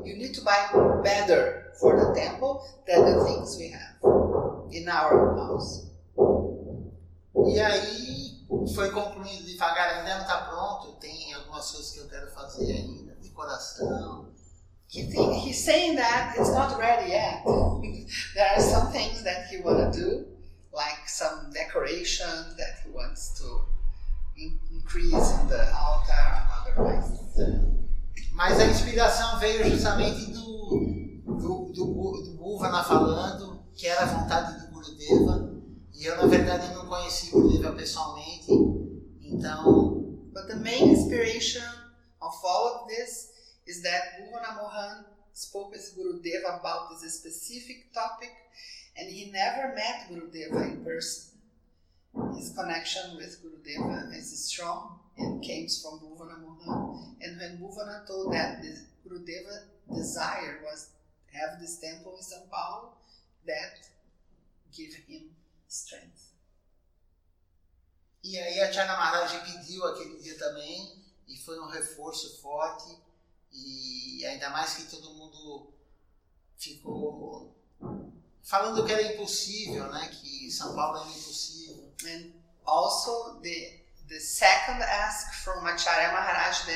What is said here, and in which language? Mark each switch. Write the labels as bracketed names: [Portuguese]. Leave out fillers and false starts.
[English] You need to buy better for the temple than the things we have in our house. [Portuguese] E aí foi concluído devagar, ainda não está pronto, tem algumas coisas que eu quero fazer ainda, decoração. [English] He's saying that it's not ready yet. There are some things that he want to do, like some decoration that he wants to increase in the altar and otherwise. [Portuguese] Mas a inspiração veio justamente do Bhuvana falando que era a vontade do Gurudeva. E eu, na verdade, não conheci o Gurudeva pessoalmente, então... [English] But the main inspiration of all of this is that Bhuvana Mohan spoke with Gurudeva about this specific topic, and he never met Gurudeva in person. His connection with Gurudeva is strong and came from Bhuvana Mohan. And when Bhuvana told that Gurudeva's desire was to have this temple in São Paulo, that gave him strength. [Portuguese] E aí a Chana Maharaj pediu aquele dia também, e foi um reforço forte, e ainda mais que todo mundo ficou falando que era impossível, né, que São Paulo era impossível. [English] And also the second ask from Acharya Maharaj, then